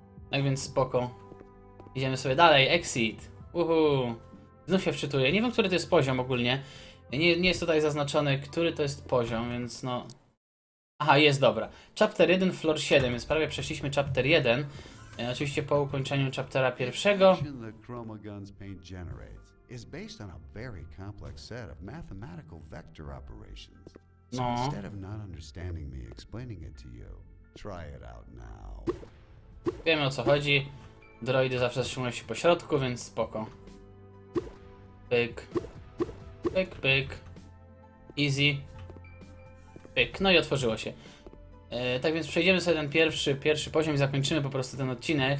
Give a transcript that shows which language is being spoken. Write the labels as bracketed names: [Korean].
[Polish] Tak więc spoko. Idziemy sobie dalej, exit. Uhu. Znów się wczytuję. Nie wiem, który to jest poziom ogólnie. Nie jest tutaj zaznaczone, który to jest poziom, więc no. Aha, jest, dobra. [English] Chapter 1, floor 7, [Polish] więc prawie przeszliśmy chapter 1. Oczywiście po ukończeniu chaptera pierwszego. [English] The chroma guns paint generates is based on a very complex set of mathematical vector operations. So instead of not understanding me explaining it to you, try it out now. [Polish] Wiemy, o co chodzi. Droidy zawsze trzymają się po środku, więc spoko. Pyk. Easy. Pyk. No i otworzyło się. Tak więc przejdziemy sobie ten pierwszy poziom i zakończymy po prostu ten odcinek.